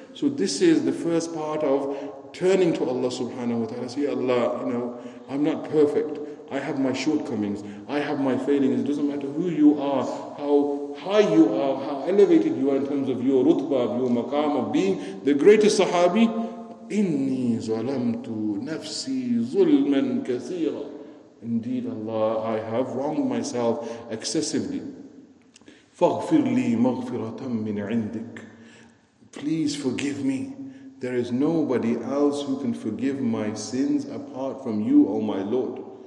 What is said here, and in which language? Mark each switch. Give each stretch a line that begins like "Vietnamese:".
English: So this is the first part of turning to Allah subhanahu wa ta'ala. Say, Allah, you know, I'm not perfect. I have my shortcomings. I have my failings. It doesn't matter who you are, how high you are, how elevated you are in terms of your rutbah, of your maqam, of being the greatest sahabi.
Arabic: إني ظلمت نفسي ظلما كثيرا.
English: Indeed, Allah, I have wronged myself excessively.
Arabic: فاغفر لي مغفرة من عندك.
English: Please forgive me. There is nobody else who can forgive my sins apart from you, O my Lord.